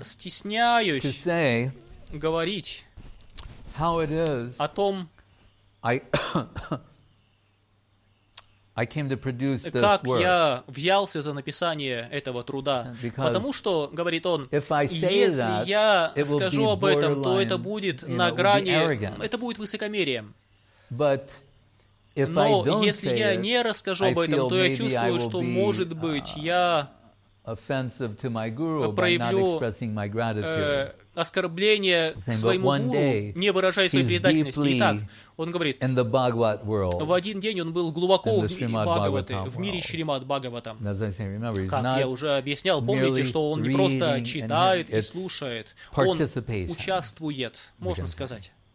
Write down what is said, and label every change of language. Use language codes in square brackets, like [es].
[ru] стесняюсь говорить о том, как я взялся за написание этого труда, потому что, говорит он, если я скажу об этом, то это будет на грани, это будет высокомерием. Но если я не расскажу об этом, то я чувствую, что, может быть, я [en] offensive to my guru by not expressing my gratitude. [ru] Оскорбление своему гуру, не выражая своей признательности. Итак, он говорит, [en] in the Bhagavat world, [ru] в один день он был глубоко в мире Бхагаваты, в мире Шримад Бхагаватам. Как я уже объяснял, помните, что он не просто читает и слушает, он участвует, можно сказать.